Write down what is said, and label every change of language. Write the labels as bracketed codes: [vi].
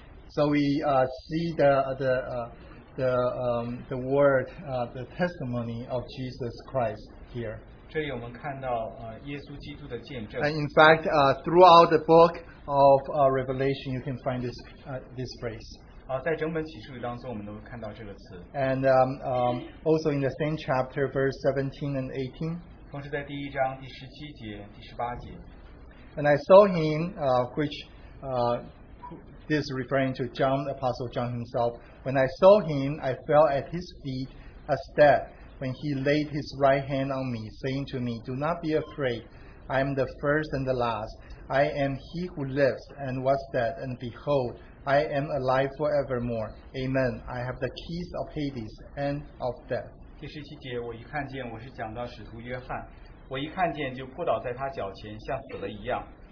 [en] So we see the word the testimony of Jesus Christ here. [zh] 这里我们看到, 耶稣基督的见证。 [en] And in fact, throughout the book of Revelation, you can find this this phrase. [zh] 在整本启示录当中，我们能够看到这个词。 [en] And also in the same chapter, verse 17 and 18. [zh] 同时在第一章第十七节、第十八节。 [en] And I saw him, this is referring to John, Apostle John himself. When I saw him, I fell at his feet as dead, when he laid his right hand on me, saying to me, "Do not be afraid. I am the first and the last. I am he who lives and was dead. And behold, I am alive forevermore. Amen. I have the keys of Hades and of death." [zh] 第十七节，我一看见，我是讲到使徒约翰，我一看见就扑倒在他脚前，像死了一样。